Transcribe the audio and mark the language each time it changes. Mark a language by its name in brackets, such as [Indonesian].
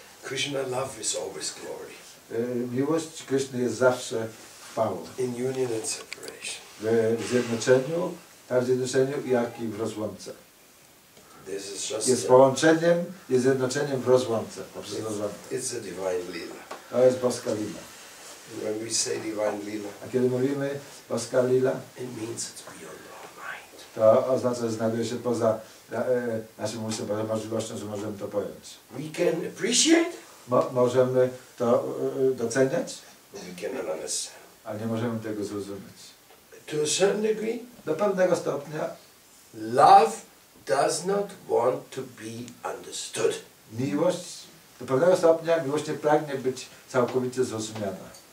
[English] Krishna love is always glory. [Polish] Miłość Krishna jest zawsze. [English] In union and separation. [Polish] W zjednoczeniu, tak w zjednoczeniu, jak i w rozłące. [English] This is just [Polish] jest połączeniem, jest zjednoczeniem w rozłące. [English] It's a divine lila. [Polish] To jest boska lila. [English] When we say divine lila, [Polish] a kiedy mówimy boska lila, [English] it means it's beyond our mind. [Polish] To oznacza, że znajduje się poza naszym umysłem, poza możliwością, że możemy to pojąć. [English] We can appreciate. [Polish] Możemy to doceniać. [English] We can understand. [Polish] Ale nie możemy tego zrozumieć. [English] To a certain degree, [Polish] do pewnego stopnia, [English] love does not want to be understood. [Polish] Miłość, do pewnego stopnia, miłość nie pragnie być całkowicie zrozumiana.